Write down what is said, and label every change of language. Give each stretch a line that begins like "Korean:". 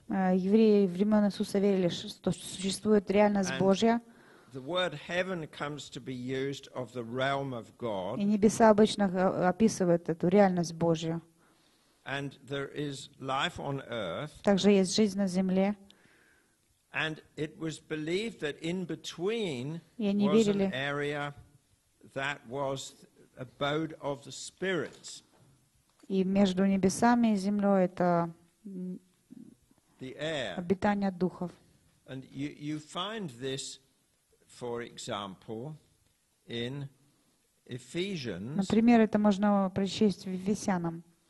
Russian: Евреи времен Иисуса верили, что существует реальность Божья.
English: The word heaven comes to be used of the realm of God.
Russian: И небеса обычно описывают эту реальность Божью.
English: And there is life on earth.
Russian: Также есть жизнь на земле.
English: And it was believed that in between was an area that was abode of the spirits.
Russian: И между небесами и землей это
English: the air.
Russian: Обитание духов.
English: And you find this, for example, in Ephesians.
Russian: Например, это можно прочесть в Ефесянам.